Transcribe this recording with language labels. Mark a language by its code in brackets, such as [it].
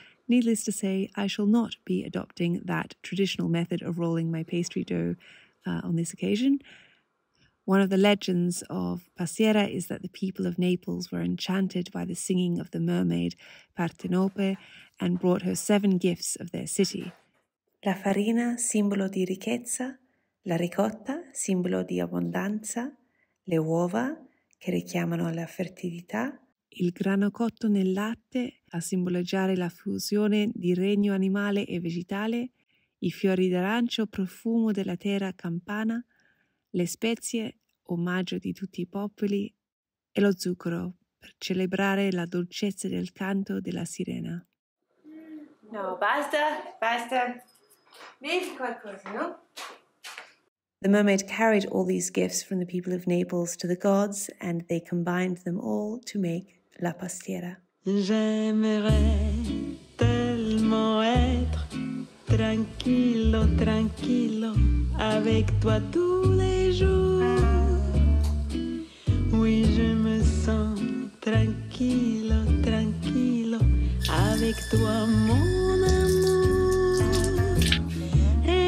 [en] Needless to say, I shall not be adopting that traditional method of rolling my pastry dough on this occasion. One of the legends of pastiera is that the people of Naples were enchanted by the singing of the mermaid Partenope and brought her 7 gifts of their city. [it] La farina, simbolo di ricchezza, la ricotta, simbolo di abbondanza, le uova, che richiamano la fertilità, il grano cotto nel latte, a simboleggiare la fusione di regno animale e vegetale, i fiori d'arancio, profumo della terra campana, le spezie, omaggio di tutti i popoli, e lo zucchero, per celebrare la dolcezza del canto della sirena. No, basta, basta. Mi qualcosa, no? [en] The mermaid carried all these gifts from the people of Naples to the gods, and they combined them all to make la pastiera. [fr] J'aimerais tellement être [it] tranquillo, tranquillo, [fr] avec toi tous les jours. Oui, je me sens [it] tranquillo, tranquillo, [fr] avec toi, mon amour.